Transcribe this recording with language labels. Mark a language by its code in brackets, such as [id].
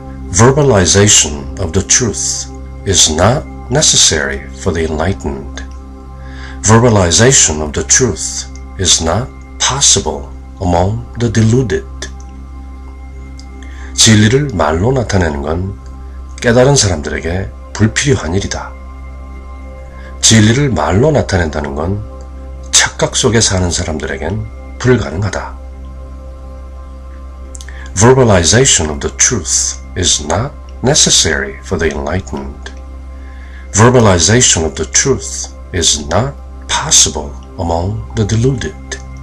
[en] Verbalization of the truth is not necessary for the enlightened. Verbalization of the truth is not possible among the deluded. [ko] 진리를 말로 나타내는 건 깨달은 사람들에게 불필요한 일이다. 진리를 말로 나타낸다는 건 착각 속에 사는 사람들에겐 불가능하다. [en] Verbalization of the truth is not necessary for the enlightened. Verbalization of the truth is not possible among the deluded.